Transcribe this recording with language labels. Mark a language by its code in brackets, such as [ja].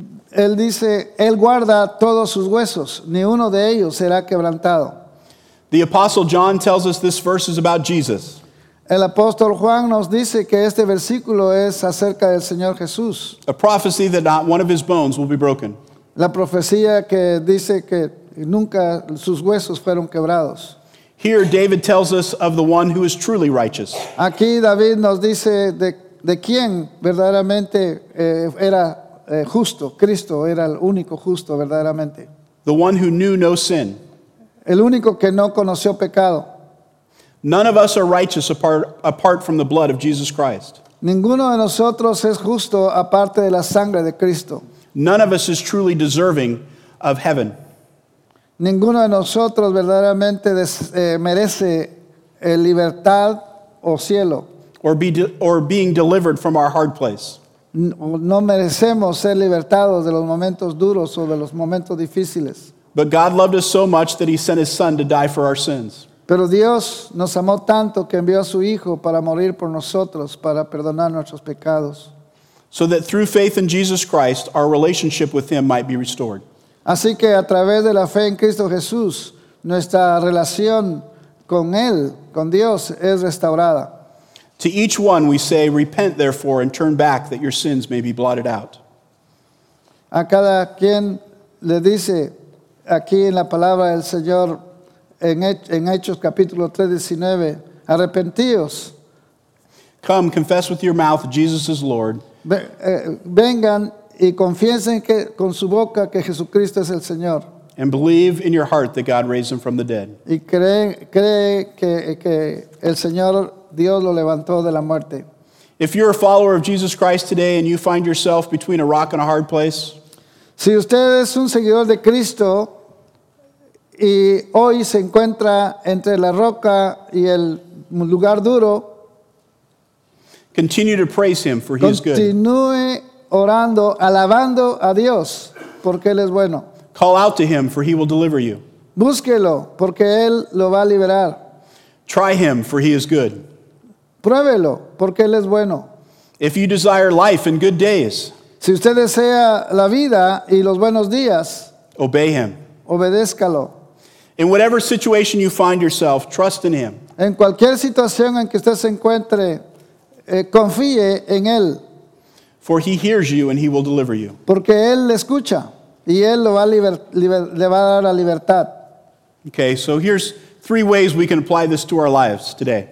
[es] Él dice, él guarda todos sus huesos, ni uno de ellos será quebrantado. [en] The Apostle John tells us this verse is about Jesus. [es] El apóstol Juan nos dice que este versículo es acerca del Señor Jesús. [en] A prophecy that not one of his bones will be broken. [es] La profecía que dice que nunca sus huesos fueron quebrados. [en] Here David tells us of the one who is truly righteous. [es] Aquí David nos dice de quién verdaderamente era justo. Cristo era el único justo verdaderamente. [en] The one who knew no sin. [es] El único que no conoció pecado. [en] None of us are righteous apart from the blood of Jesus Christ. [es] Ninguno de nosotros es justo aparte de la sangre de Cristo. [en] None of us is truly deserving of heaven. [es] Ninguno de nosotros verdaderamente merece libertad o cielo. [en] Or being delivered from our hard place. [es] No merecemos ser libertados de los momentos duros o de los momentos difíciles. [en] But God loved us so much that he sent his son to die for our sins. [es] Pero Dios nos amó tanto que envió a su Hijo para morir por nosotros, para perdonar nuestros pecados. [en] So that through faith in Jesus Christ, our relationship with Him might be restored. [es] Así que a través de la fe en Cristo Jesús, nuestra relación con Él, con Dios, es restaurada. [en] To each one we say, repent therefore and turn back that your sins may be blotted out. [es] A cada quien le dice aquí en la palabra del Señor, en Hechos capítulo 3:19, arrepentíos. [en] Come, confess with your mouth Jesus is Lord. [es] Vengan y confiesen que con su boca que Jesucristo es el Señor. [en] And believe in your heart that God raised him from the dead. [es] Y cree que el Señor Dios lo levantó de la muerte. [en] If you're a follower of Jesus Christ today and you find yourself between a rock and a hard place. [es] Si usted es un seguidor de Cristo y hoy se encuentra entre la roca y el lugar duro. [en] Continue to praise him for he is good. [es] Continúe orando, alabando a Dios porque él es bueno. [en] Call out to him for he will deliver you. [es] Búsquelo porque él lo va a liberar. [en] Try him for he is good. [es] Pruébelo porque él es bueno. [en] If you desire life and good days. [es] Si usted desea la vida y los buenos días. [en] Obey him. [es] Obedézcalo. [en] In whatever situation you find yourself, trust in him. [es] En cualquier situación en que usted se encuentre, confíe en él. [en] For he hears you and he will deliver you. [es] Porque él le escucha y él lo va a le va a dar la libertad. [en] Okay, so here's three ways we can apply this to our lives today.